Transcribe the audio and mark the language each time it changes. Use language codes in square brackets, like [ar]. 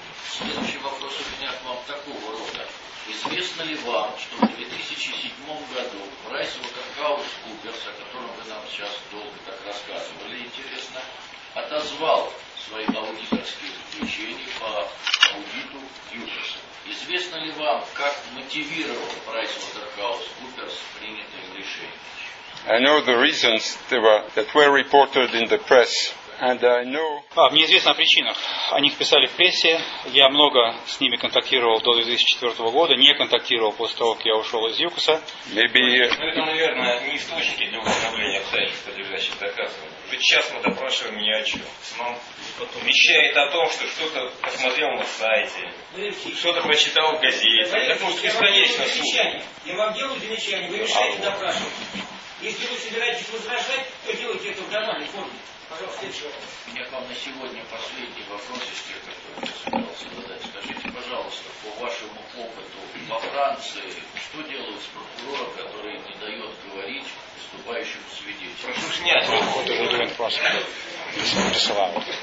[ru] Следующий вопрос у меня к вам такого рода. Известно ли вам, что в 2007 году PricewaterhouseCoopers, о котором вы нам сейчас долго так рассказывали, интересно, отозвал свои аудиторские заключения по аудиту Юпеса. Известно ли вам, как мотивировал PricewaterhouseCoopers принятое решение? [en] I know the reasons that were reported in the press. And I know... [ru] Мне известно о причинах. О них писали в прессе. Я много с ними контактировал до 2004 года. Не контактировал после того, как я ушел из ЮКОСа. [en] Maybe... [ru] Ну, это, наверное, не источники для установления обстоятельств, содержащих доказывания. Ведь сейчас мы допрашиваем ни о чем. Потом... Вещает о том, что что-то посмотрел на сайте, что-то прочитал в газете. Это может бесконечно суть. Я вам делаю замечание. Вы решаете допрашивать. Если вы собираетесь возражать, то делайте это в нормальной форме. У меня к вам на сегодня последний вопрос из тех, которые я собирался задать. Скажите, пожалуйста, по вашему опыту во Франции, что делают с прокурором, который не дает говорить выступающему свидетелю? Прошу снять. [en] What are you doing, prosecutor? Disallowed.